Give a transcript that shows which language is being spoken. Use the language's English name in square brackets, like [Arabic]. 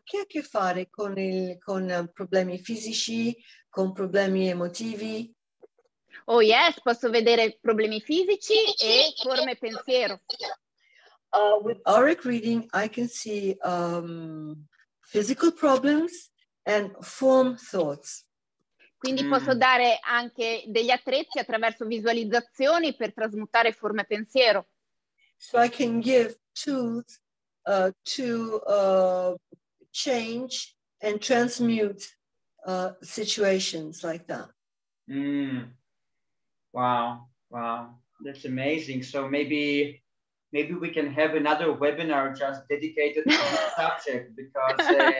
[Italian] Che ha a che fare con problemi fisici, con problemi emotivi? [English] Oh yes, [Italian] posso vedere problemi fisici e forme pensiero. [English] With auric reading, I can see physical problems and form thoughts. [Italian] Quindi posso dare anche degli attrezzi attraverso visualizzazioni per trasmutare forme pensiero. [English] So I can give tools to change and transmute situations like that. Wow, that's amazing. So maybe we can have another webinar just dedicated to this subject, because